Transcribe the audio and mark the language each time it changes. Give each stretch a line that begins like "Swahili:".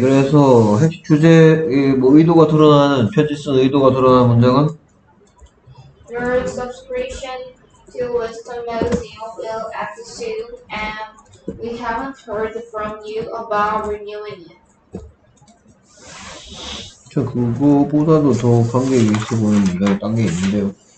Korean: 그래서 핵심 주제 뭐 의도가 드러나는 편지 쓴 의도가 드러나는 문장은?
English: Your subscription to Wisdom Magazine will end soon, and we haven't heard from you about renewing it.
Korean: 그거보다도 더 관계가 있어보이는 문장이 딴 게 있는데요.